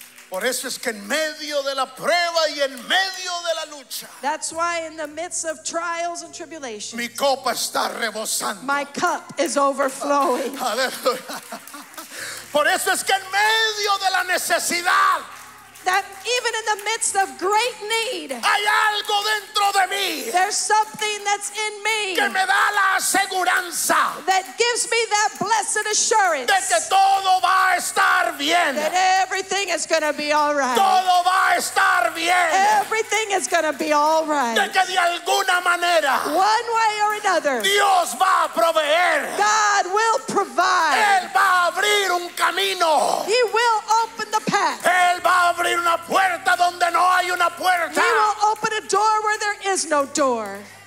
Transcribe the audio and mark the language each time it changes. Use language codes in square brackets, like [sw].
[es] Por eso es que en medio de la prueba y en medio de la lucha, [en] that's why in the midst of trials and tribulations, [es] mi copa está rebosando. [en] My cup is overflowing. [es] Por eso es que en medio de la necesidad, [en] that even in the midst of great need, [es] hay algo dentro de mí, [en] there's something that's in me, [es] que me da la aseguranza, [en] that gives me that blessed assurance, [es] de que todo va a estar bien, [en] that everything is going to be all right, [es] todo va a estar bien, [en] everything is going to be all right, [es] de que de alguna manera, [en] one way or another, [es] Dios va a proveer, [en] God will provide, [es] Él va a abrir un camino, [en] He will open the path, [es] Él va a abrir una puerta donde no hay una puerta. [en] He will open a door where there is no door.